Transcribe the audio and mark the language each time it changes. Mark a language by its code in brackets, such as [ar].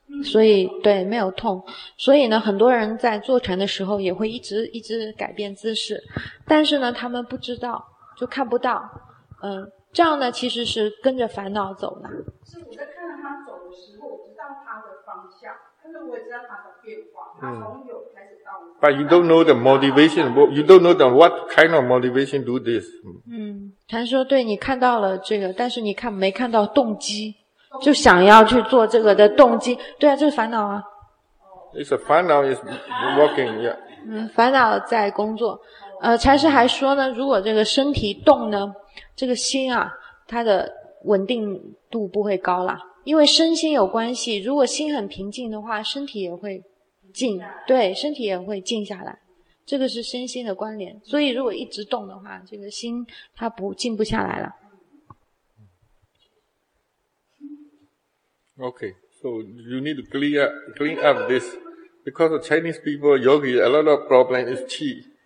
[zh] 所以对没有痛，所以呢很多人在坐禅的时候也会一直改变姿势，但是呢他们不知道，就看不到。嗯，这样呢其实是跟着烦恼走的。是我在看着他走的时候，我知道他的方向，但是我也知道他的变化，他从有开始到无。 [en] But you don't know the motivation. You don't know the what kind of motivation do this. [zh] 禅说对你看到了这个，但是你看没看到动机，就想要去做这个的动机。对啊，就是烦恼啊。 [en] It's a 烦恼 is working, yeah. [zh] 烦恼在工作。禅师还说呢，如果这个身体动呢，这个心啊，它的稳定度不会高啦，因为身心有关系。如果心很平静的话，身体也会静，对，身体也会静下来。这个是身心的关联。所以如果一直动的话，这个心它不静不下来了。 [en] Okay, so you need to clean up this because of Chinese people yogi a lot of problem is qi.